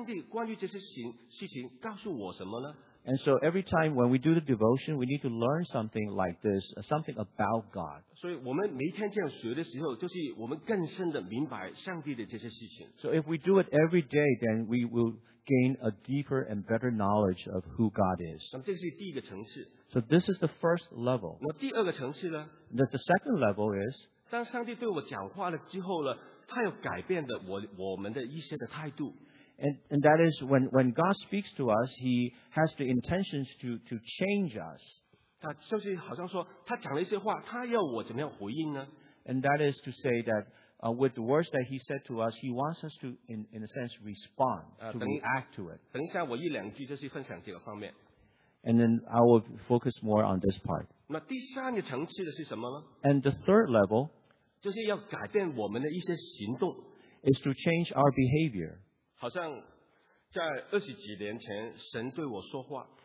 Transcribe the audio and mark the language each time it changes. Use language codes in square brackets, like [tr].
[zh] 我们每一次灵修的时候就是要学习上帝关于这些事情告诉我什么呢? [en] And so every time when we do the devotion, we need to learn something like this, something about God. So if we do it every day, then we will gain a deeper and better knowledge of who God is. So this is the first level. The second level is, [zh] 当上帝对我讲话了之后呢，他有改变的我们的一些的态度。 [en] And that is when God speaks to us, He has the intentions to change us. [zh] 他就是好像说，他讲了一些话，他要我怎么样回应呢？ [en] And that is to say that with the words that He said to us, He wants us to in a sense respond to react to it. [zh] 等一下，我一两句就是分享这个方面。 [en] And then I will focus more on this part. [zh] 那第三个层次的是什么呢？ [en] And the third level, [zh] 就是要改变我们的一些行动， [en] is to change our behavior. [zh] 好像在二十几年前神对我说话，